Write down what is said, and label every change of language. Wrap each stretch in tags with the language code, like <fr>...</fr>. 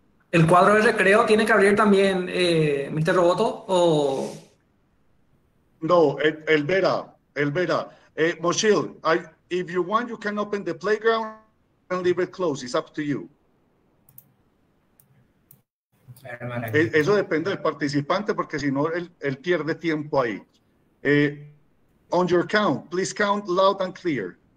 <es>¿El cuadro de recreo tiene que abrir también Mr. Roboto o...? No, Elvera, Elvera.</es> <en>Moshil, if you want, you can open the playground and leave it closed. It's up to you.</en> <es>Eso depende del participante, porque si no, él pierde tiempo ahí.</es> <en>On your count, please count loud and clear.</en>